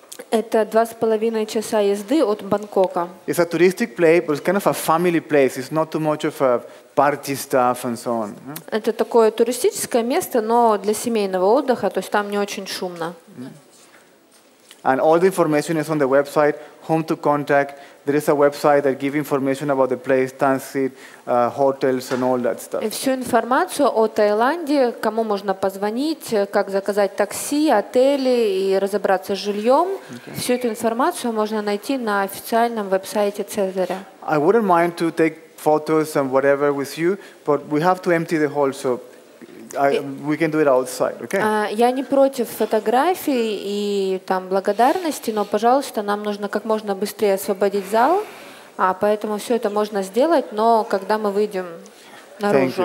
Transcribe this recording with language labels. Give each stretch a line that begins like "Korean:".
Russian: Это 2.5 часа езды от Бангкока.
English: It's a touristic place, but it's kind of a family place. It's not too much of a party stuff and so on.
Russian: Это такое туристическое место, но для семейного отдыха, то есть там не очень шумно.
English: And all the information is on the website, whom to contact. There is a website that gives information about the place, transit, hotels and all that stuff.
Russian: И всю информацию о Таиланде, кому можно позвонить, как заказать такси, отели и разобраться с жильем.
English: Okay.
Russian: Всю эту информацию можно найти на официальном веб-сайте Цезаря.
English: I wouldn't mind to take photos and whatever with you, but we have to empty the hall, so we can do it outside, okay?
Russian: Я не против фотографий и там благодарности, но, пожалуйста, нам нужно как можно быстрее освободить зал, а поэтому все это можно сделать, но когда мы выйдем наружу.